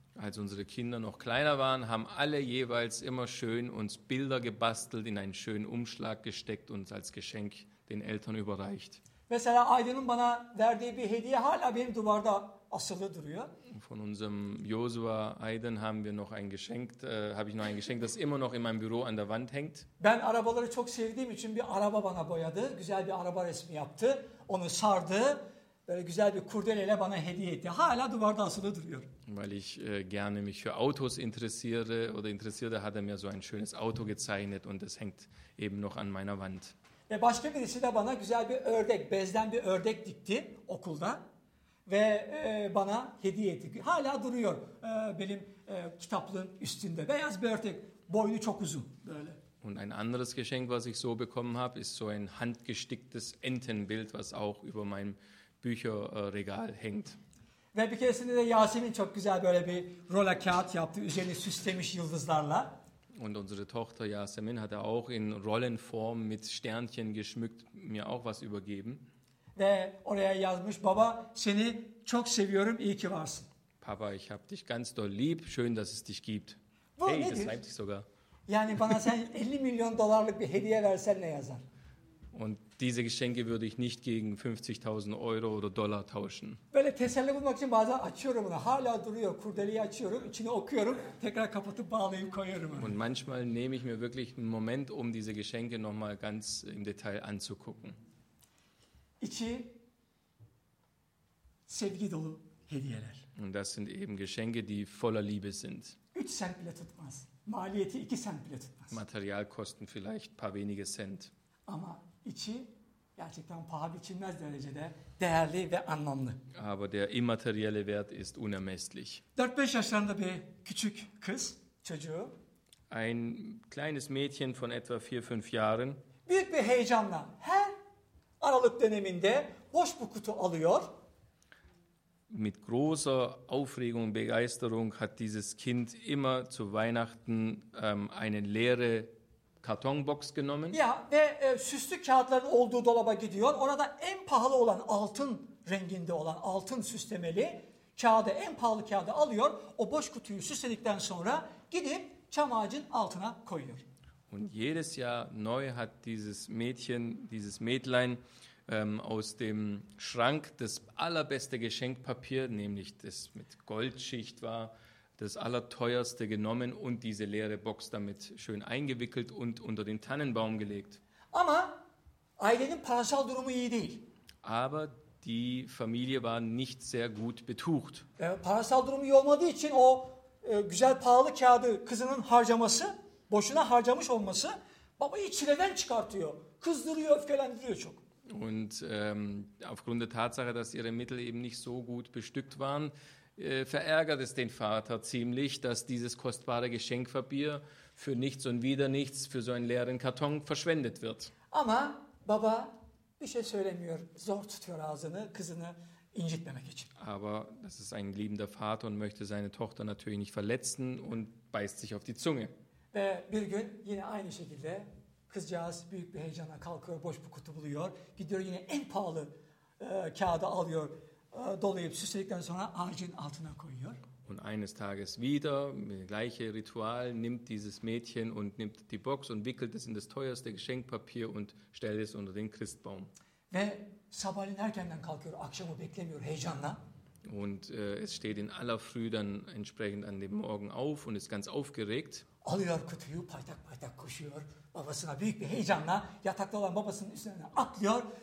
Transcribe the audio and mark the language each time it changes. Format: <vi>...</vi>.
<de>Als unsere Kinder noch kleiner waren, haben alle jeweils immer schön uns Bilder gebastelt, in einen schönen Umschlag gesteckt und als Geschenk den Eltern überreicht.</de> <tr>Mesela Aydın'ın bana verdiği bir hediye hala benim duvarda asılı duruyor.</tr> <de>Von unserem Joshua Aydın haben wir noch ein Geschenk, habe ich noch ein Geschenk, das immer noch in meinem Büro an der Wand hängt.</de> <tr>Ben arabaları çok sevdiğim için bir araba bana boyadı, güzel bir araba resmi yaptı, onu sardı. Böyle güzel bir kurdeleyle bana hediye etti. Hala duvarda asılı duruyor.</tr> <de>Weil ich gerne mich für Autos interessiere oder interessierte, hat mir so ein schönes Auto gezeichnet und das hängt eben noch an meiner Wand.</de> <tr>Ve başka birisi de bana güzel bir ördek, bezden bir ördek dikti okulda ve bana hediye etti. Hala duruyor benim kitaplığın üstünde. Beyaz bir ördek, boynu çok uzun böyle.</tr> <de>Und ein anderes Geschenk, was ich so bekommen habe, ist so ein handgesticktes Entenbild, was auch über meinem Bücherregal hängt.</de> <tr>Ve bir keresinde de Yasemin çok güzel böyle bir rola kağıt yaptı. Üzerini süslemiş yıldızlarla.</tr> <de>Und unsere Tochter Yasemin hat auch in Rollenform mit Sternchen geschmückt mir auch was übergeben.</de> <tr>Ve oraya yazmış, Baba, seni çok seviyorum, iyi ki varsın.</tr> <de>Papa, ich hab dich ganz doll lieb, schön, dass es dich gibt.</de> <tr>Bu hey, nedir?</tr> <de>Das reimt sich sogar.</de> <tr>Yani bana sen 50 milyon dolarlık bir hediye versen ne yazar?</tr> <de>Und diese Geschenke würde ich nicht gegen 50.000 Euro oder Dollar tauschen.</de> <tr>Böyle teselli bulmak için bazen açıyorum onu. Hala duruyor. Kurdeleyi açıyorum, içini okuyorum, tekrar kapatıp bağlayıp koyuyorum.</tr> <de>Und manchmal nehme ich mir wirklich einen Moment, um diese Geschenke nochmal ganz im Detail anzugucken.</de> <tr>İçi sevgi dolu hediyeler.</tr> <de>Und das sind eben Geschenke, die voller Liebe sind.</de> <tr>3 cent bile tutmaz. Maliyeti 2 cent bile tutmaz.</tr> <de>Materialkosten vielleicht paar wenige Cent.</de> <tr>Ama içi gerçekten paha biçilmez derecede değerli ve anlamlı.</tr> <de>Aber der immaterielle Wert ist unermesslich.</de> <tr>4-5 yaşlarında bir küçük kız çocuğu.</tr> <de>Ein kleines Mädchen von etwa 4-5 Jahren.</de> <tr>Büyük bir heyecanla her Aralık döneminde hoş bu kutu alıyor.</tr> <de>Mit großer Aufregung und Begeisterung hat dieses Kind immer zu Weihnachten eine leere Kartonbox genommen.</de> <tr>Ya ve süslü kağıtların olduğu dolaba gidiyor. Orada en pahalı olan altın renginde olan altın süslemeli kağıdı, en pahalı kağıdı alıyor. O boş kutuyu süsledikten sonra gidip çam ağacın altına koyuyor.</tr> <de>Und jedes Jahr neu hat dieses Mädchen, dieses Mädlein aus dem Schrank das allerbeste Geschenkpapier, nämlich das mit Goldschicht war, das allerteuerste genommen und diese leere Box damit schön eingewickelt und unter den Tannenbaum gelegt.</de> <tr>Ama ailenin parasal durumu iyi değil.</tr> <de>Aber die Familie war nicht sehr gut betucht.</de> <tr>Parasal durumu iyi olmadığı için o güzel pahalı kağıdı kızının harcaması, boşuna harcamış olması babayı çileden çıkartıyor. Kızdırıyor, öfkelendiriyor çok.</tr> <de>Und aufgrund der Tatsache, dass ihre Mittel eben nicht so gut bestückt waren, verärgert es den Vater ziemlich, dass dieses kostbare Geschenkpapier für nichts und wieder nichts für so einen leeren Karton verschwendet wird.</de> <tr>Ama baba bir şey söylemiyor. Zor tutuyor ağzını kızını incitmemek için.</tr> <de>Aber das ist ein liebender Vater und möchte seine Tochter natürlich nicht verletzen und beißt sich auf die Zunge.</de> <tr>Ve bir gün yine aynı şekilde kızcağız büyük bir heyecanla kalkıyor, boş bir kutu buluyor. Gidiyor yine en pahalı kağıdı alıyor, dolayıp süsledikten sonra ağacın altına koyuyor.</tr> <de>Und eines Tages wieder, gleiche Ritual, nimmt dieses Mädchen und nimmt die Box und wickelt es in das teuerste Geschenkpapier und stellt es unter den Christbaum.</de> <tr>Ve sabahleyin erkenden kalkıyor, akşamı beklemiyor heyecanla.</tr> <de>Und es steht in aller Früh dann entsprechend an dem Morgen auf und ist ganz aufgeregt.</de> <tr>Alıyor kutuyu, paytak paytak koşuyor. Babasına büyük bir heyecanla yatakta olan babasının üstüne atlıyor.</tr>